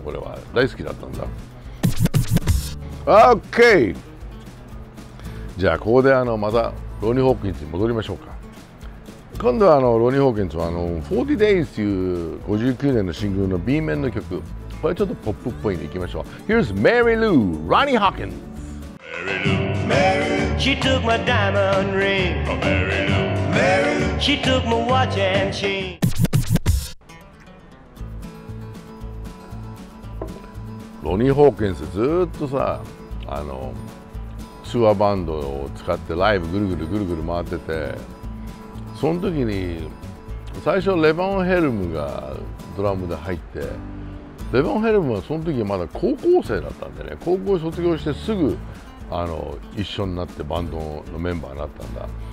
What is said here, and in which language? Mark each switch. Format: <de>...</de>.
<ja>これは大好きだったんだ。OK、 じゃあここでまたロニー・ホーキンズに戻りましょうか。今度はロニー・ホーキンズは40 Days という59年のシングルの B 面の曲、これちょっとポップっぽいんでいきましょう。</ja> <en>Here's Mary Lou Ronnie Hawkins。 Mary Lou Mary She took my diamond ring Mary Lou She took my watch and chain。</en> <ja>ロニー・ホーキンスずっとさ、あのツアーバンドを使ってライブぐるぐるぐるぐる回ってて、その時に最初レヴァン・ヘルムがドラムで入って、レヴァン・ヘルムはその時まだ高校生だったんでね、高校卒業してすぐあの一緒になってバンドのメンバーになったんだ。</ja>